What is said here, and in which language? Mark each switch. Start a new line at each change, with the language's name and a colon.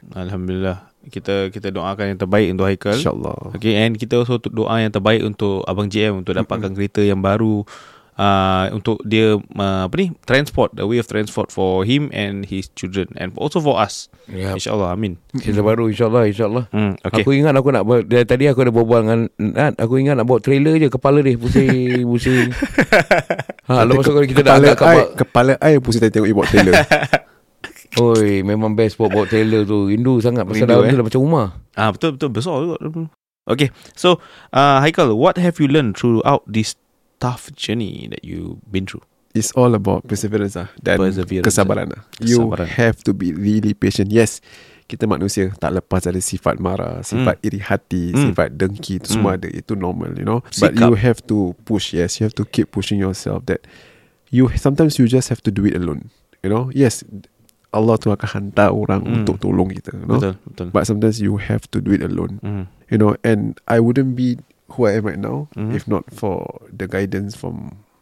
Malay: Alhamdulillah. Kita doakan yang terbaik untuk Haikal. InsyaAllah. Okay, and kita also doa yang terbaik untuk Abang JM untuk dapatkan kereta yang baru. Untuk dia,
English: transport, the way of transport for him and his children, and also for us. Yep.
Malay: InsyaAllah, amin. Kita baru, insyaAllah. Okay. Aku ingat aku nak, dari tadi aku dah berbual dengan Nat, aku ingat nak bawa trailer je, kepala dia pusing. lepas tu kita dah angkat kapal. Kepala air pusing tadi tengok dia bawa trailer. Oi, memang best bawa trailer tu, rindu sangat, pasal rindu, dalam tu dah macam rumah. Betul, besar juga.
English: Okay, so, Haikal, what have you learned throughout this tough journey that you've been through? It's all about perseverance
Malay: dan kesabaran.
English: You have to be really patient.
Malay: Yes, kita manusia tak lepas dari sifat marah, sifat iri hati, sifat dengki, itu semua ada. Itu normal, you know. Sikap.
English: But you have to push. Yes, you have to keep pushing yourself. That you sometimes you just have to do it alone, you know.
Malay: Yes, Allah tu akan hantar orang untuk tolong kita, you know. Betul.
English: But sometimes you have to do it alone, you know. And I wouldn't be who I am right now, if not for the guidance from